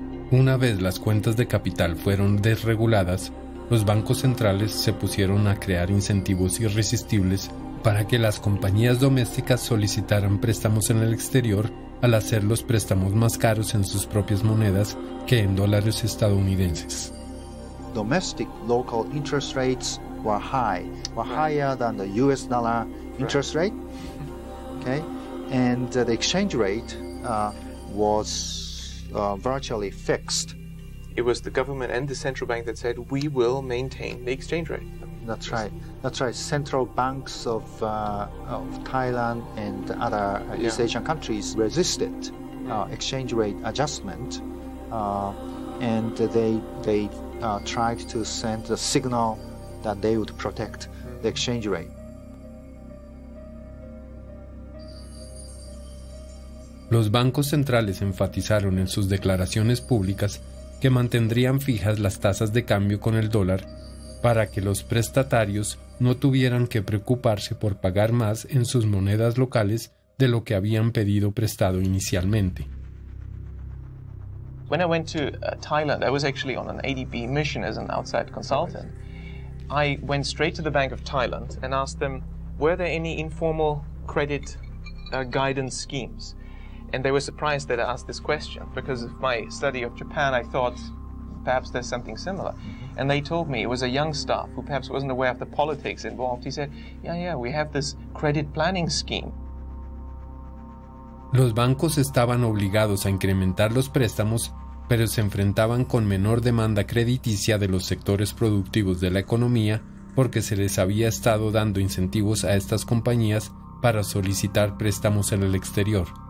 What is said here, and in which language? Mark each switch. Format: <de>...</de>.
<es>Una vez las cuentas de capital fueron desreguladas, los bancos centrales se pusieron a crear incentivos irresistibles para que las compañías domésticas solicitaran préstamos en el exterior al hacer los préstamos más caros en sus propias monedas que en dólares estadounidenses.</es> <en>Domestic local interest rates were higher than the US dollar interest rate. Okay? And the exchange rate was virtually fixed. It was the government and the central bank that said we will maintain the exchange rate. That's right. Central banks of Thailand and other East Asian countries resisted exchange rate adjustment, and they tried to send the signal that they would protect the exchange rate.</en> <es>Los bancos centrales enfatizaron en sus declaraciones públicas que mantendrían fijas las tasas de cambio con el dólar para que los prestatarios no tuvieran que preocuparse por pagar más en sus monedas locales de lo que habían pedido prestado inicialmente.</es> <en>When I went to Thailand, I was actually on an ADB mission as an outside consultant. I went straight to the Bank of Thailand and asked them, were there any informal credit guidance schemes? And they were surprised that I asked this question, because of my study of Japan, I thought perhaps there's something similar. Mm-hmm. And they told me, it was a young staff who perhaps wasn't aware of the politics involved. He said, yeah, we have this credit planning scheme.</en> <es>Los bancos estaban obligados a incrementar los préstamos, pero se enfrentaban con menor demanda crediticia de los sectores productivos de la economía porque se les había estado dando incentivos a estas compañías para solicitar préstamos en el exterior.</es>